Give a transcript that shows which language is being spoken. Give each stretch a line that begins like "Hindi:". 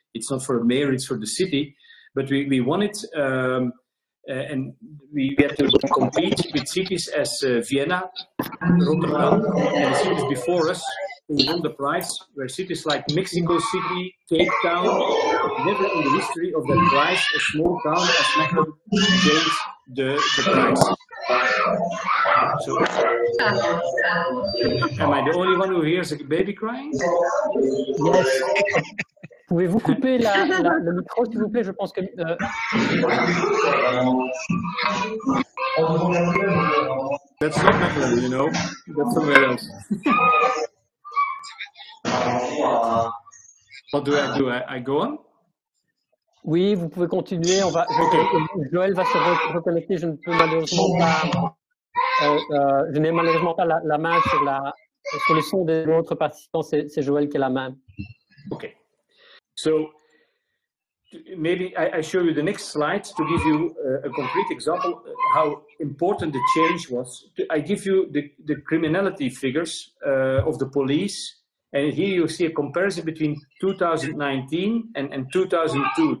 English: It's not for a mayor, it's for the city. But we won it, and we get to compete with cities as Vienna, Rotterdam, and the cities before us who won the prize, where cities like Mexico City, Cape Town, never in the history of that prize, a small town as Mechelen gained the prize. So, am I the only one who hears a baby crying? Yes.
French: Pouvez-vous couper le micro, s'il vous plaît? Je pense que...
English: That's not Mechelen, you know. That's somewhere else. What do I do? I go on?
French: Oui, vous pouvez continuer. On va, Joël va se reconnecter. Je ne peux malheureusement pas... je n'ai malheureusement pas la main sur le son des autres participants. C'est Joël qui a la main.
English: OK. So, maybe I show you the next slide to give you a concrete example how important the change was. I give you the criminality figures of the police, and here you see a comparison between 2019 and 2002.